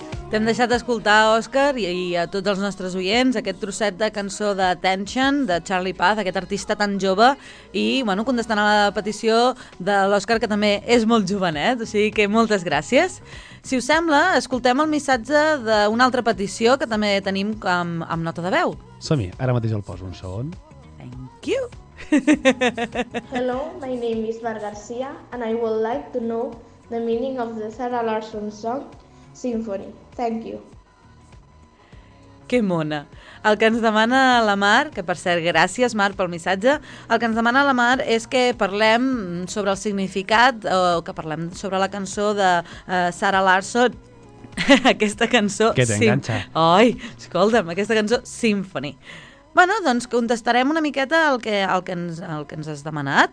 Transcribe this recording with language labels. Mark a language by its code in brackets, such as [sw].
[ca] T'hem deixat escoltar, Òscar, i a tots els nostres oients, aquest trosset de cançó d'Attention, de Charlie Puth, aquest artista tan jove, i bueno, contestant a la petició de l'Òscar, que també és molt jovenet, o sigui que moltes gràcies. Si us sembla, escoltem el missatge d'una altra petició que també tenim amb nota de veu. Som-hi, ara mateix el poso, un segon. [en] Thank you. Hello, my name is Mar Garcia, and I would like to know the meaning of the Sarah Larson song Symphony. Thank you. [ca] Que mona. El que ens demana la Mar, que per cert, gràcies Mar pel missatge, el que ens demana la Mar és que parlem sobre el significat o que parlem sobre la cançó de Sarah Larson, aquesta cançó... Que t'enganxa. Ai, escolta'm, aquesta cançó Symphony. Bueno, doncs contestarem una miqueta el que ens has demanat.